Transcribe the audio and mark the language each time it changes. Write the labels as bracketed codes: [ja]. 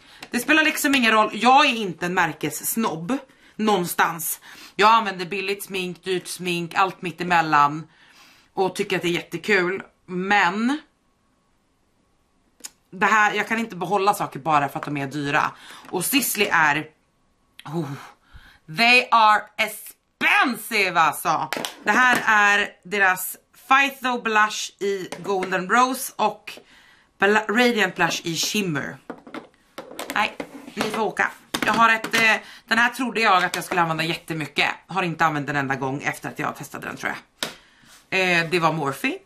[sv] Det spelar liksom ingen roll. Jag är inte en märkessnobb. Någonstans. Jag använder billigt smink, dyrt smink, allt mitt emellan. Och tycker att det är jättekul. Men. Det här, jag kan inte behålla saker bara för att de är dyra. Och Sisley är. [en] Oh, they are expensive [sv] alltså. Det här är deras Phyto Blush i Golden Rose. Och. Radiant Blush i Shimmer. Nej, ni får åka. Jag har ett, den här trodde jag att jag skulle använda jättemycket. Har inte använt den enda gång efter att jag testade den tror jag. Det var Morphe.